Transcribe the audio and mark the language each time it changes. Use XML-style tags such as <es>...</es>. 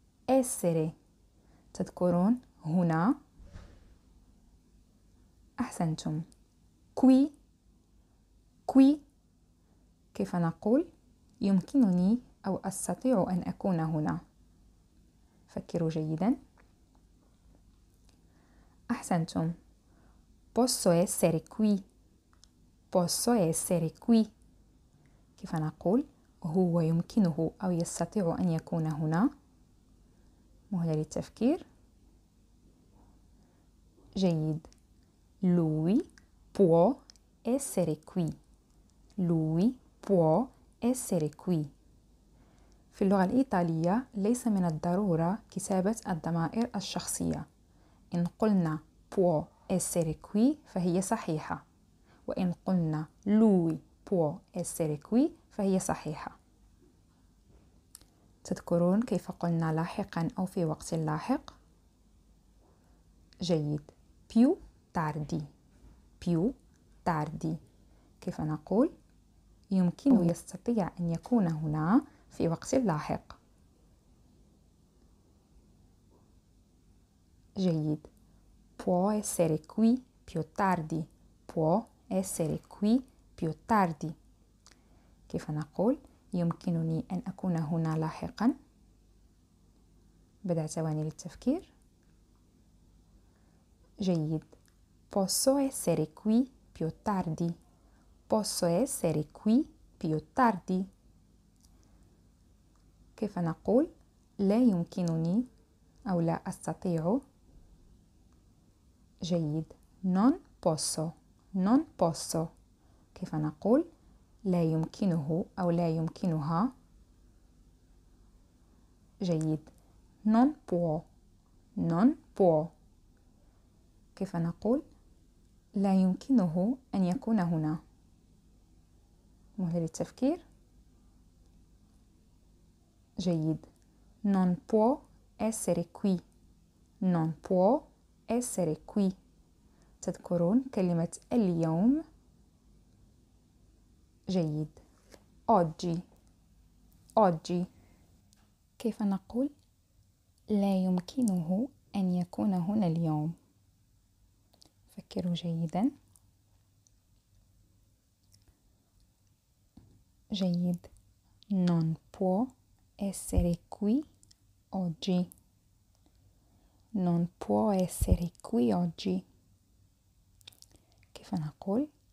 <ar>essere تذكرون هنا؟ أحسنتم، qui. qui كيف نقول يمكنني أو أستطيع أن أكون هنا؟ فكروا جيدا.</ar> <it>أحسنتم، posso essere qui. posso essere qui كيف نقول هو يمكنه أو يستطيع أن يكون هنا؟ مهلة للتفكير. جيد، lui può essere qui. lui può essere qui.</it> <ar>في اللغة الإيطالية ليس من الضرورة كتابة الضمائر الشخصية. إن قلنا</ar> <it>può essere qui</it> <ar>فهي صحيحة، وإن قلنا</ar> <it>lui può essere qui</it> <ar>فهي صحيحة. تذكرون كيف قلنا لاحقا أو في وقت لاحق؟ جيد،</ar> <it>più tardi. più tardi</it> <ar>كيف نقول يمكنه يستطيع أن يكون هنا في وقت لاحق؟ جيد،</ar> <it>può essere qui più tardi. può essere qui più tardi</it> <ar>كيف نقول يمكنني أن أكون هنا لاحقا؟ بضع ثواني للتفكير.</ar> <it>جيد، posso essere qui più tardi. posso essere qui più tardi</it> <ar>كيف نقول لا يمكنني أو لا أستطيع؟ جيد،</ar> <it>non posso. non posso</it> <ar>كيف نقول لا يمكنه أو لا يمكنها؟ جيد،</ar> <it>non può. non può</it> <ar>كيف نقول لا يمكنه أن يكون هنا؟ مهلة للتفكير.</ar> <it>جيد، non può essere qui. non può essere qui</it> <ar>تذكرون كلمة اليوم؟ جيد،</ar> <it>oggi.</it> <ar>oggi كيف نقول لا يمكنه أن يكون هنا اليوم؟ فكروا جيدا.</ar> <it>جيد، non può essere qui oggi. non può essere qui oggi</it> <ar>كيف نقول</ar>